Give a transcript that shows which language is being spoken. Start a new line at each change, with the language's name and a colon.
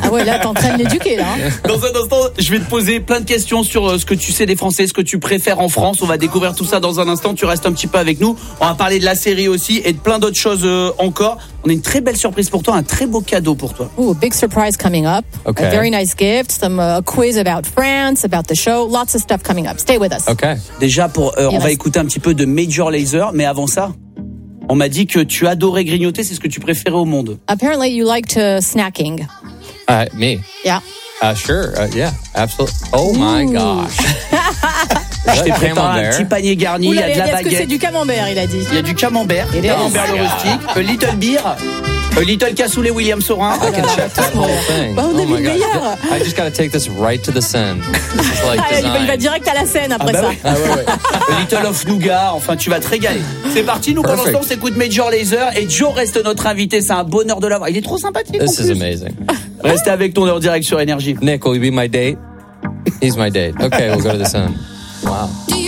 French: Ah ouais, là, t'es en train de l'éduquer, là. Dans un instant, je vais te poser plein de questions sur ce que tu sais des Français, ce que tu préfères en France. On va découvrir tout ça dans un instant. Tu restes un petit peu avec nous. On va parler de la série aussi et de plein d'autres choses encore. On a une très belle surprise pour toi, un très beau cadeau pour toi.
English: Ooh, a big surprise coming up. Okay. A very nice gift. Some a quiz about France, about the show. Lots of stuff coming up. Stay with us. Okay.
French: Déjà, pour, on va écouter un petit peu de Major Lazer, mais avant ça... On m'a dit que tu adorais grignoter, c'est ce que tu préférais au monde.
English: Apparently, you liked snacking. Me? Yeah. Sure, yeah, absolutely. Oh my gosh.
French: Je t'ai préparé un petit panier garni, il y a de la baguette. Est-ce que c'est du camembert, il a dit? Il y a du camembert, camembert le rustique,
English: a little beer, a little
French: cassoulet William Sorin.
English: I can check this whole thing.
French: Bah, on est le meilleur.
English: I just gotta take this right to the scene.
French: Il va direct à la scène après ça. Ouais.
English: A little of nougat,
French: enfin, tu vas te régaler. C'est parti, nous, pour l'instant, on s'écoute Major Lazer et Joe reste notre invité, c'est un bonheur de l'avoir. Il est trop sympathique.
English: This is amazing.
French: Restez avec ton heure direct sur Énergie.
English: Nick, will you be my date? He's my date. Okay, we'll go to the sun. Wow.